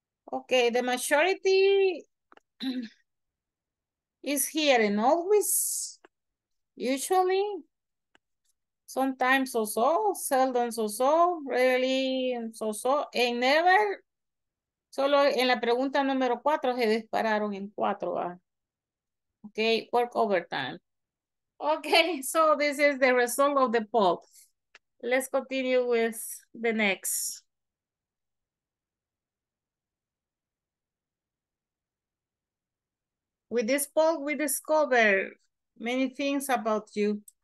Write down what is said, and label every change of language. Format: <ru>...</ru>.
<en>Okay, the majority is here and always, usually, sometimes so-so, seldom so-so, rarely so-so, and never.</en> <es>Solo en la pregunta número cuatro se dispararon en cuatro.</es> <en>Okay, work overtime. Okay, so this is the result of the poll. Let's continue with the next. With this poll, we discover many things about you.</en>